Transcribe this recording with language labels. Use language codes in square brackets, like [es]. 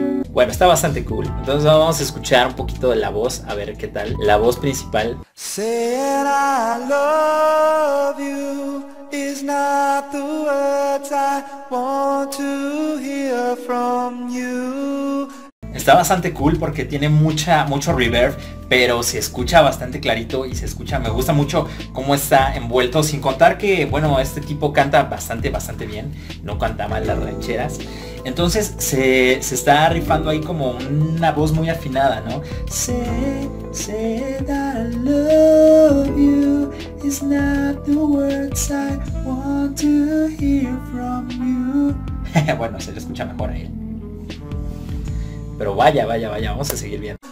[es] Bueno, está bastante cool. Entonces vamos a escuchar un poquito de la voz, a ver qué tal. La voz principal. [en] Saying I love you is not the words I want to hear from you. [es] Está bastante cool porque tiene mucho reverb, pero se escucha bastante clarito y se escucha, me gusta mucho cómo está envuelto, sin contar que, bueno, este tipo canta bastante, bastante bien, no canta mal las rancheras. Entonces se está rifando ahí como una voz muy afinada, ¿no? [en] Say that I love you is not the words I want to hear from you. [es] Bueno, se le escucha mejor a él. Pero vaya, vaya, vaya, vamos a seguir viendo.